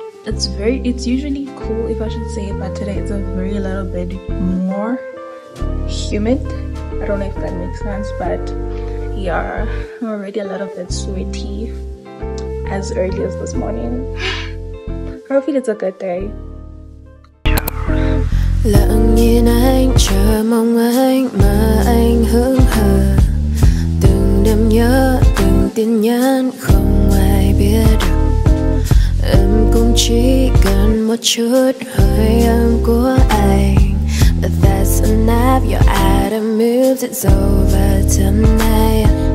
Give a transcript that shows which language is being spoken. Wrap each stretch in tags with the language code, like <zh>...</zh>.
<en>It's usually cool, if I should say, but today it's a very little bit more humid. I don't know if that makes sense, but yeah, I'm already a little bit sweaty as early as this morning. Hopefully it's a good day.</en> <vi>Lặng nhìn anh chờ mong anh mà anh hững hờ. Từng đêm nhớ từng tin nhắn không ai biết. Em cũng chỉ cần một chút hơi ấm của anh.</vi> <en>But that's a nap, you're out of moves, it's over tonight.</en>